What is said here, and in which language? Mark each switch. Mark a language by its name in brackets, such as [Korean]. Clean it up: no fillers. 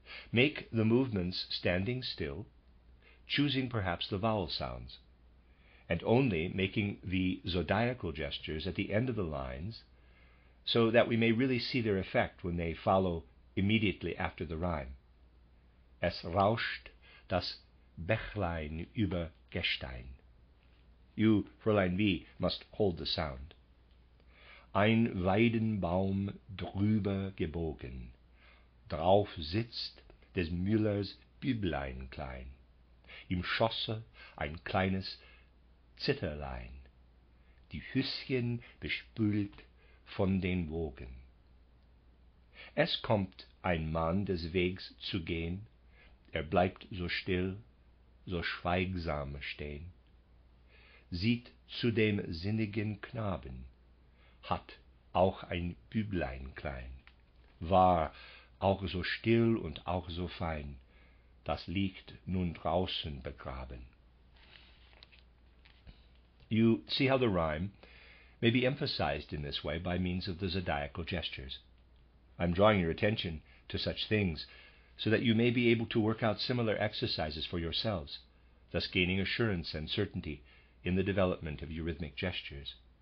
[English] Make the movements standing still, choosing perhaps the vowel sounds, and only making the zodiacal gestures at the end of the lines, so that we may really see their effect when they follow immediately after the rhyme. [German] Es rauscht das Bächlein über Gestein. [English] You, Fräulein V., must hold the sound. [German] Ein Weidenbaum drüber gebogen, drauf sitzt des Müllers Büblein klein, im Schosse ein kleines Zitterlein, die Hüsschen bespült von den Wogen. Es kommt ein Mann des Wegs zu gehen, bleibt so still, so schweigsam stehen, sieht zu dem sinnigen Knaben, hat auch ein Büblein klein, war auch so still und auch so fein, das liegt nun draußen begraben. [English] You see how the rhyme may be emphasized in this way by means of the zodiacal gestures. I'm drawing your attention to such things so that you may be able to work out similar exercises for yourselves, thus gaining assurance and certainty in the development of eurythmic gestures.